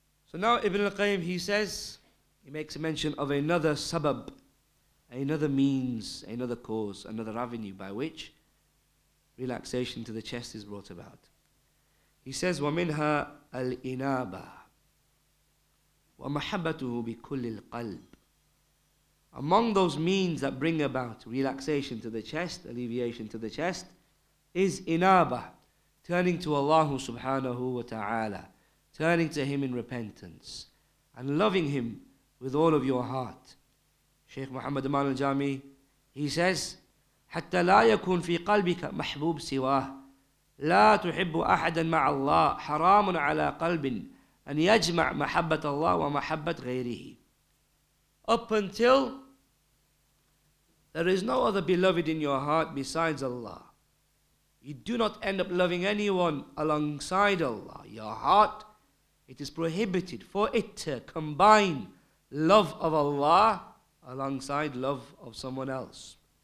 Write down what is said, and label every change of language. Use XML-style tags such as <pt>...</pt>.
<en>So now Ibn al-Qayyim, he says, he makes a mention of another sabab, another means, another cause, another avenue by which relaxation to the chest is brought about. He says,</en> <ar>وَمِنْهَا الْإِنَابَ وَمَحَبَّتُهُ بِكُلِّ الْقَلْبِ.</ar> <en>Among those means that bring about relaxation to the chest, alleviation to the chest, is inaba, turning to Allah subhanahu wa ta'ala, turning to Him in repentance, and loving Him with all of your heart. Shaykh Muhammad Aman al-Jami, he says,</en> <ar>حَتَّى لَا يَكُنْ فِي قَلْبِكَ مَحْبُوبٌ سِوَاهُ لَا تُحِبُّ أَحَدًا مَعَ اللَّهِ حَرَامٌ عَلَىٰ قَلْبٍ أَنْ يَجْمَعْ مَحَبَّةَ اللَّهِ وَمَحَبَّةَ غَيْرِهِ.</ar> <en>Up until there is no other beloved in your heart besides Allah, you do not end up loving anyone alongside Allah. Your heart, it is prohibited for it to combine love of Allah alongside love of someone else.</en>